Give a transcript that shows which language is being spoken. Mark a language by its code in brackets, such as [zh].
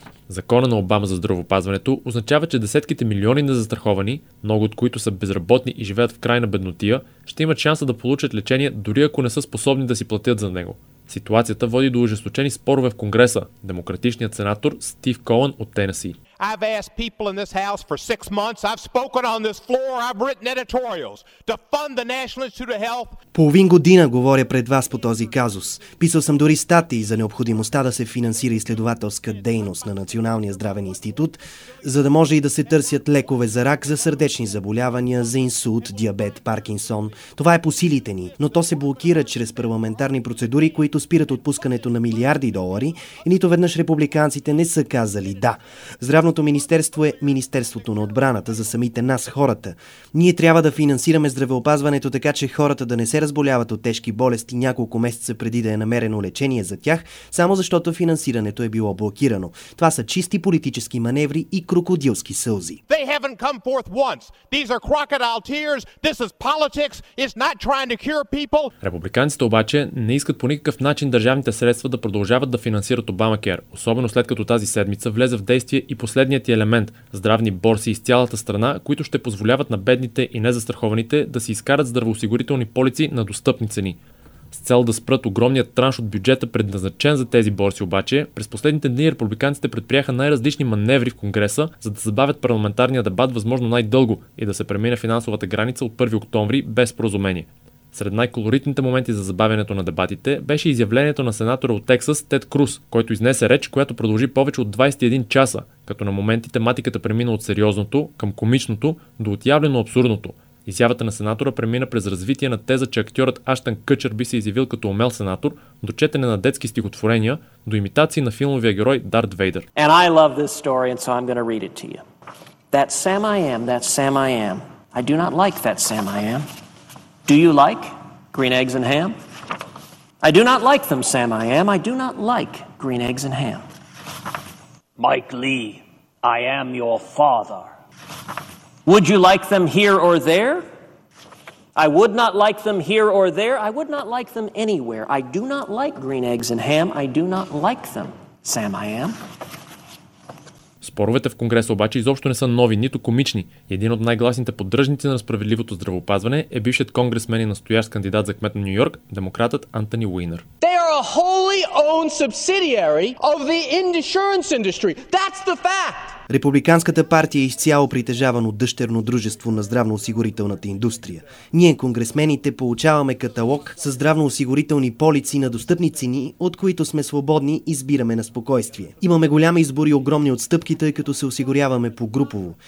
[bg] Законът на Обама за здравеопазването означава, че десетките милиони незастраховани, много от които са безработни и живеят в крайна беднотия, ще имат шанса да получат лечение, дори ако не са способни да си платят за него. Ситуацията води до ужесточени спорове в Конгреса. Демократичният сенатор Стив Колън от Тенеси. [en] I've asked people in this house for 6 months. I've spoken on this floor. I've written editorials to fund the National Institute of Health. [bg] Половин година говоря пред вас по този казус. Писал съм дори статии за необходимостта да се финансира изследователска дейност на Националния здравен институт, за да може и да се търсят лекове за рак, за сърдечни заболявания, за инсулт, диабет, Паркинсон. Това е по силите ни, но то се блокира чрез парламентарни процедури, които спират отпускането на милиарди долари, и нито веднъж републиканците не са казали да. Здравното министерство е Министерството на отбраната за самите нас, хората. Ние трябва да финансираме здравеопазването така, че хората да не се разболяват от тежки болести няколко месеца преди да е намерено лечение за тях, само защото финансирането е било блокирано. Това са чисти политически маневри и крокодилски сълзи. [en] They haven't come forth once. These are crocodile tears. This is politics. It's not trying to cure people. [bg] Републиканците обаче не искат по никакъв начин държавните средства да продължават да финансират Обамакер, особено след като тази седмица влезе в действие и последният елемент – здравни борси из цялата страна, които ще позволяват на бедните и незастрахованите да си изкарат здравоосигурителни полици на достъпни цени. С цел да спрат огромният транш от бюджета, предназначен за тези борси обаче, през последните дни републиканците предприеха най-различни маневри в Конгреса, за да забавят парламентарния дебат възможно най-дълго и да се премине финансовата граница от 1 октомври без споразумение. Сред най-колоритните моменти за забавянето на дебатите беше изявлението на сенатора от Тексас Тед Круз, който изнесе реч, която продължи повече от 21 часа, като на моменти тематиката премина от сериозното към комичното до отявлено абсурдното. Изявата на сенатора премина през развитие на теза, че актьорът Аштън Кътчър би се изявил като умел сенатор, до четене на детски стихотворения, до имитации на филмовия герой Дарт Вейдър. [en] And I love this story, and so I'm gonna read it to you. That Sam I am, that Sam I am. I do not like that Sam I am. Do you like green eggs and ham? I do not like them, Sam I am. I do not like green eggs and ham. Mike Lee, I am your father. Would you like them here or there? I would not like them here or there. I would not like them anywhere. I do not like green eggs and ham. I do not like them, Sam I am. [bg] Споровете в Конгреса обаче изобщо не са нови, нито комични. Един от най-гласните поддръжници на справедливото здравеопазване е бившият конгресмен и настоящ кандидат за кмет на Нью-Йорк, демократът Антони Уинър. [en] They are a wholly owned subsidiary of the insurance industry. That's the fact. [bg] Републиканската партия е изцяло притежавано дъщерно дружество на здравноосигурителната индустрия. Ние, конгресмените, получаваме каталог с здравноосигурителни полици на достъпни цени, от които сме свободни, избираме на спокойствие. Имаме голям избор и огромни отстъпки, тъй като се осигуряваме по групово.